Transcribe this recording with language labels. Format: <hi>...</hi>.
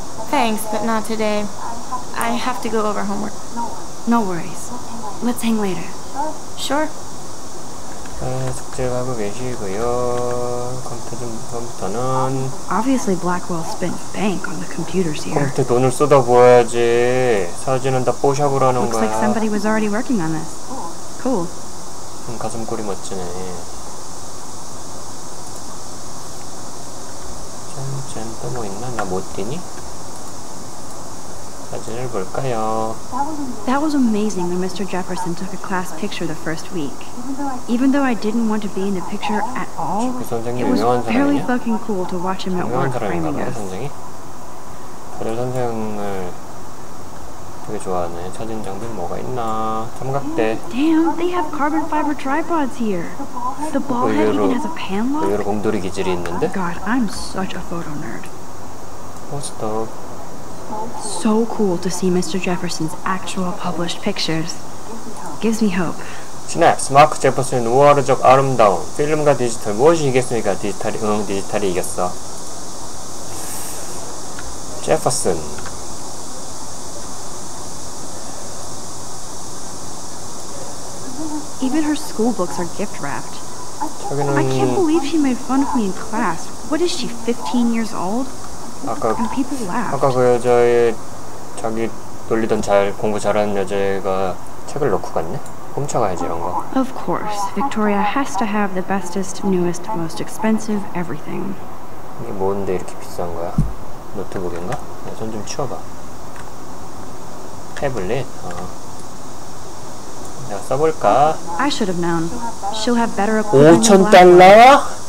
<en>Thanks, but not today. I have to go over homework. No worries. Let's hang later. Sure.</en> <ko>숙제하고 계시고요. 컴퓨터 좀 컴퓨터는.</ko> <en>Obviously, Blackwell spent bank on the computers here.</en> <ko>컴퓨터 돈을 쏟아 부어야지. 사진은 다 포샵으로 하는</ko> <en>Looks</en> <ko>거야.</ko> <en>Looks like somebody was already working on this. Cool.</en> <ko>가슴골이 멋지네. 짠짠 또 뭐 있나? 나 못 뛰니? 사진을 볼까요?</ko> <en>That was amazing when Mr. Jefferson took a class picture the first week. Even though I didn't want to be in the picture at all, it was fairly fucking cool to watch him at work framing us.</en> <ko>선생이? 그래 선생을 되게 좋아하네. 사진 장비 뭐가 있나? 삼각대.</ko> <en>Damn, they have carbon fiber tripods here. The ball head even has a pan lock.</en> <ko>의외로 공돌이 기질이 있는데?</ko> <en>God, I'm such a photo nerd.</en> <ko>포스터.</ko> <en>So cool to see Mr. Jefferson's actual published pictures. Gives me hope.</en> <ko>스냅스, 마크 제퍼슨의 노아르적 아름다움. 필름과 디지털, 무엇이 이겼습니까? 디지털이, 응, 디지털이 이겼어. 제퍼슨.</ko> <en>Even her school books are gift wrapped.</en> <ko>저기는...</ko> <en>I can't believe she made fun of me in class. What is she, 15 years old?</en> <ko>아까,</ko> <en>and people laughed.</en> <ko>아까 그 여자의 자기 놀리던 잘 공부 잘하는 여자애가 책을 놓고 갔네? 훔쳐가야지 이런 거.</ko> <en>Of course, Victoria has to have the bestest, newest, most expensive everything.</en> <ko>이게 뭔데 이렇게 비싼 거야? 노트북인가? 야, 손 좀 치워봐. 태블릿? 어. 내가 써볼까?</ko> <en>I should have known. She'll have better equipment.</en> <ko>5천 달러?</ko>